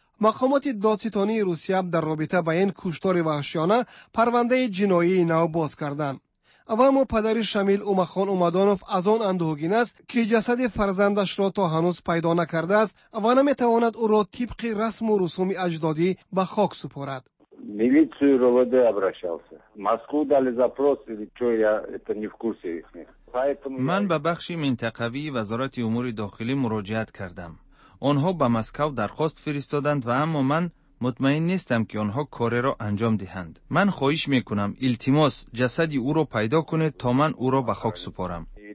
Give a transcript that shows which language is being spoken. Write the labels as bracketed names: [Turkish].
[Persian] مقامات دادستانی روسیه در رابطه با این کشتار وحشیانه پرونده جنایی نو باز کردند. و اما پدر شمیل اومخان اومدانوف از آن اندوهگین است که جسد فرزندش را تا هنوز پیدا نکرده است و نمیتواند او را طبق رسم و رسوم اجدادی به خاک سپارد. [Russian] Милицию РОВД обращался. Москву дали запрос или что, я это не в курсе их. Поэтому [Persian] من به بخش منطقوی وزارت امور داخلی مراجعه کردم. آنها به مسکو درخواست فرستادند و اما من مطمئن نیستم که آنها کار را انجام دهند. من خواهش میکنم التماس جسد او را پیدا کنید تا من او را به خاک سپارم.